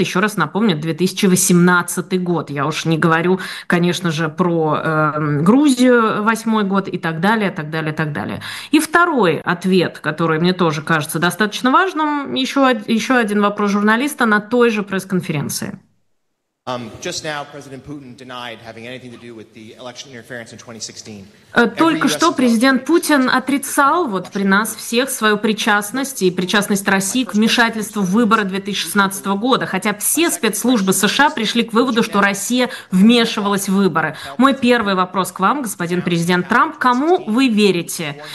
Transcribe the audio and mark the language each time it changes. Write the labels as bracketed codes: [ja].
[ru] Еще раз напомню, 2018 год. Я уж не говорю, конечно же, про Грузию 2008 год и так далее, так далее, так далее. И второй ответ, который мне тоже кажется достаточно важным, еще один вопрос журналиста на той же пресс-конференции. [en] Just now, President Putin denied having anything to do with the election interference in 2016. [ru] Только что президент Путин отрицал вот при нас всех свою причастность и причастность России к вмешательству в выборы 2016 года, хотя все спецслужбы США пришли к выводу, что Россия вмешивалась в выборы. Мой первый вопрос к вам, господин президент Трамп, кому вы верите?